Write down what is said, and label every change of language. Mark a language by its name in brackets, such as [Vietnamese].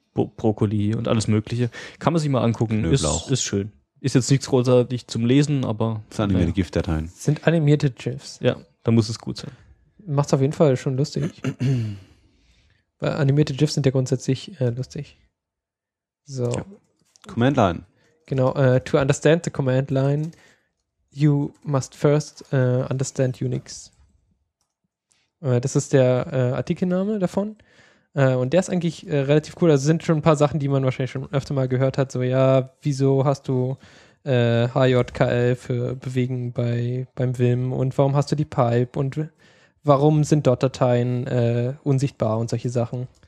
[German] Brokkoli und alles Mögliche. Kann man sich mal angucken, ist schön. Ist jetzt nichts großartig zum Lesen, aber. Das sind animierte GIF-Dateien. Sind animierte GIFs. Ja, da muss es gut sein. Macht's auf jeden Fall schon lustig. Weil animierte GIFs sind ja grundsätzlich lustig. So. Ja. Command Line. Genau. [English] To understand the Command Line, you must first understand Unix. [German] Das ist der Artikelname davon. Und der ist eigentlich relativ cool. Also sind schon ein paar Sachen, die man wahrscheinlich schon öfter mal gehört hat. So, ja, wieso hast du HJKL für Bewegen beim Vim und warum hast du die Pipe und warum sind Dot-Dateien unsichtbar und solche Sachen.